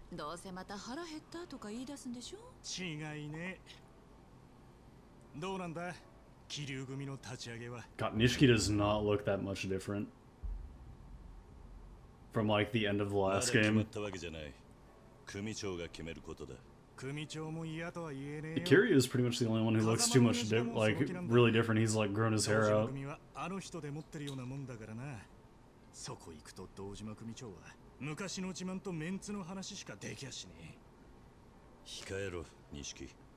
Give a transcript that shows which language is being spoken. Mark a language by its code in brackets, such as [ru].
[ja] どうせまた腹減ったとか言い出すんでしょ。違いね。どうなんだ、キリュウ組の立ち上げは。 [en] God, Nishiki does not look that much different from like the end of the last game. [ja] 決まったわけじゃない。組長が決めることだ。組長も嫌とは言えねえ。 [en] Kiryu is pretty much the only one who looks too much like really different. He's like grown his hair out. [ja] 組はあの人で持ってるようなもんだからな。そこ行くと堂島組長は。昔の自慢とメンツの話しかできやしねえ。控えろ、錦。